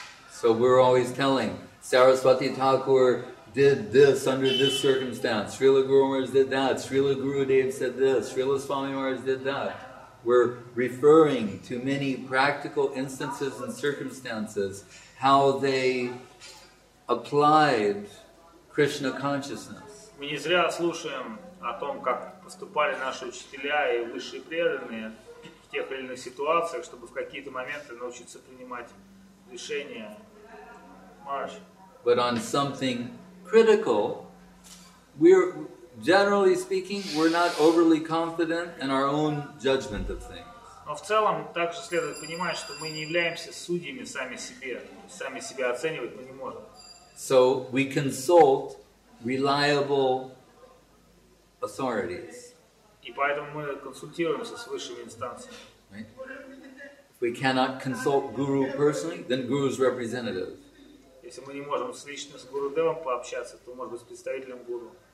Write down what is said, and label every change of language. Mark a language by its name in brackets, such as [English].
[English] So we're always telling, Saraswati Thakur did this under this circumstance, Srila Guru Maharaj did that, Srila Gurudev said this, Srila Swami Maharaj did that. We're referring to many practical instances and circumstances, how they applied Krishna consciousness. [Russian] Мы не зря слушаем о том, как поступали наши учителя и высшие преданные в тех или иных ситуациях, чтобы в какие-то моменты научиться принимать решения. Марш. [English] But on something critical, we're generally speaking, we're not overly confident in our own judgment of things. [Russian] Но в целом также следует понимать, что мы не являемся судьями сами себе. Сами себя оценивать мы не можем. [English] So we consult reliable authorities. [Russian] И поэтому мы консультируемся с высшими инстанциями. [English] Right? If we cannot consult guru personally, then guru's representative. [Russian] Если мы не можем лично с Гуру Девом пообщаться, то может быть с представителем Гуру.